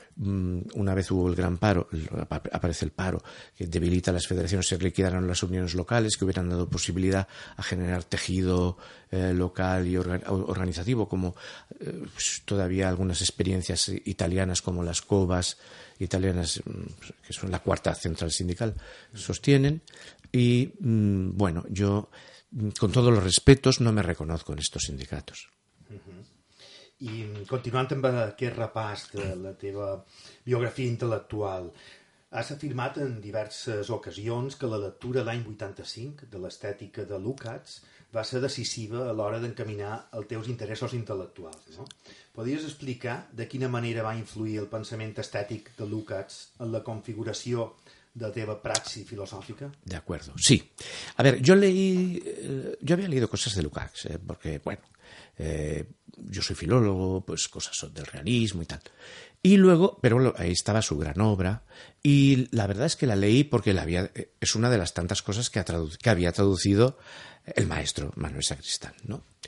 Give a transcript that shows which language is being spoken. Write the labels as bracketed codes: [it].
[es] Una vez hubo el gran paro, aparece el paro, que debilita las federaciones, se liquidaron las uniones locales que hubieran dado posibilidad a generar tejido local y organizativo, como todavía algunas experiencias italianas como las COBAS italianas, que son la cuarta central sindical, sostienen. Y bueno, yo, con todos los respetos, no me reconozco en estos sindicatos. [ca] I continuant amb aquest repàs de la teva biografia intel·lectual, has afirmat en diverses ocasions que la lectura l'any 85 de l'estètica de Lukács va ser decisiva a l'hora d'encaminar els teus interessos intel·lectuals. No? Podries explicar de quina manera va influir el pensament estètic de Lukács en la configuració de teva praxi filosòfica? De acord, sí. A veure, jo havia [es] leído [ca] coses [es] de Lukács, [ca] perquè, [es] bueno, yo soy filólogo, pues cosas del realismo y tal. Y luego, pero ahí estaba su gran obra, y la verdad es que la leí porque es una de las tantas cosas que había traducido el maestro Manuel Sacristán, ¿no?